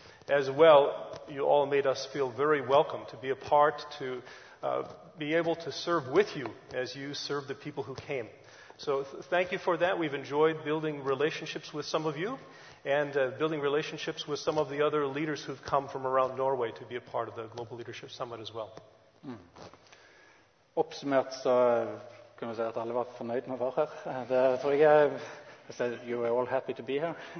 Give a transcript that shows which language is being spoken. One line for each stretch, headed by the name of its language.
English: As well, you all made us feel very welcome to be a part, to be able to serve with you as you serve the people who came. So thank you for that. We've enjoyed building relationships with some of you and building relationships with some of the other leaders who've come from around Norway to be a part of the Global Leadership Summit as well.
Norwegian: Oppsummert så kan vi si at alle var fornøyd med å være her. Det tror jeg jeg sa,
English: you were all happy to be here.